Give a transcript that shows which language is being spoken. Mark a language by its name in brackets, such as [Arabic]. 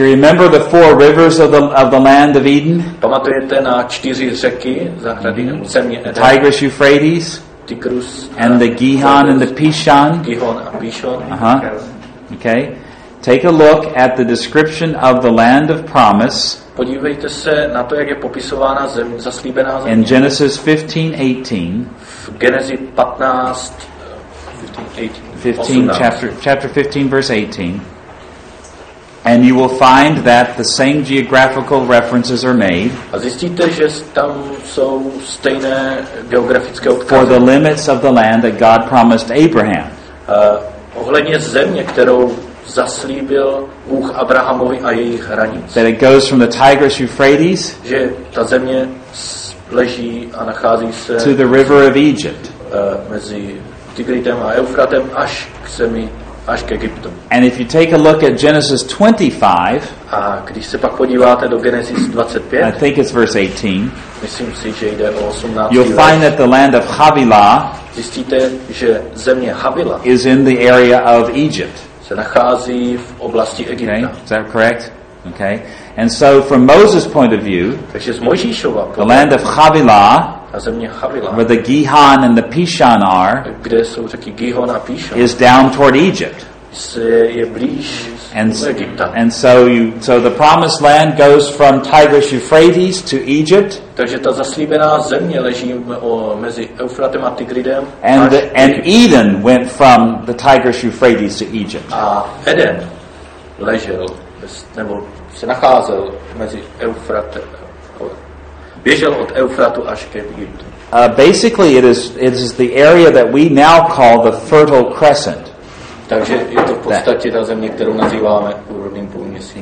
[English] Do you remember the four rivers of the land of Eden? [Czech] Pamatujete na čtyři řeky zahrady země Eden? [English] Tigris, Euphrates, [Czech] Tigris, [English] and the Gihon and the Pishon. [Czech] Gihon a Pishon. Uh-huh. Okay. [English] Take a look at the description of the land of promise. [Czech] Podívejte se na to, jak je popisována zem, zaslíbená země. [English] In Genesis 15:18. [Czech] V Genesi 15. [English] 15, chapter 15, verse 18. And you will find that the same geographical references are made. [Czech] A zjistíte, že tam jsou stejné geografické odkazy. [English] For the limits of the land that God promised Abraham. [Czech] Ohledně země, kterou zaslíbil Bůh Abrahamovi a jejich hranic. [English] That it goes from the Tigris, Euphrates, [Czech] že ta země leží a nachází se [English] to the river of Egypt. [Czech] Mezi Tigritem a Eufratem až k zemi, až k Egyptu. [English] And if you take a look at Genesis 25, [Czech] a když se pak podíváte do Genesis 25, [English] I think it's verse 18, [Czech] myslím si, že jde o 18. [English] You'll find that the land of Havilah, [Czech] zjistíte, že země Havila [English] is in the area of Egypt. [Czech] Se nachází v oblasti Egypta. [English] Okay, is that correct? Okay. And so from Moses' point of view, [Czech] takže z Mojžíšova pohledu, [English] the land of Havilah, [Czech] a země Havila, [English] where the Gihon and the Pishon are, [Czech] kde jsou řeky Gihon a Pishon, [English] is down toward Egypt. [Czech] Je blíž Egypta. [English] And so the promised land goes from Tigris, Euphrates to Egypt. [Czech] Takže ta zaslíbená země leží mezi Eufratem a Tigridem. [English] And Eden went from the Tigris, Euphrates to Egypt. [Czech] A Eden ležel, nebo se nacházel mezi Eufratem, běžel od Eufratu až ke Egyptu. [English] Basically it is the area that we now call the Fertile Crescent. [Czech] Takže je to v podstatě ta země, kterou nazýváme úrodným půlměsícem.